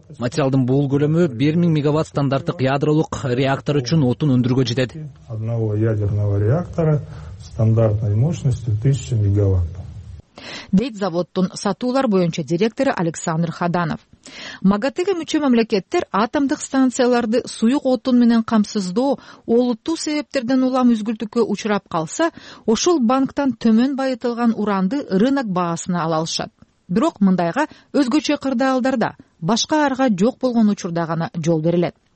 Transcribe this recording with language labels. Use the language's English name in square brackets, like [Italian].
[Kyrgyz] Материалдын бул көлөмү 1000 мегаватт стандарттык ядролук реактор үчүн отун өндүргө жетет. [Russian] Одного ядерного реактора стандартной мощностью 1000 мегаватт. [Kyrgyz] Дейт заводтун сатуулар боюнча директору Александр Хаданов. МАГАТЭге мүчө мамлекеттер атомдук станцияларды суюк отун менен камсыздоо олуттуу себептерден улам үзгүлтүккө учурап калса, ошол банктан төмөн байытылган уранды рынок баасына ала алышат. Бирок мындайга өзгөчө кырдаалдарда башка арга жок болгон учурда гана жол берилет.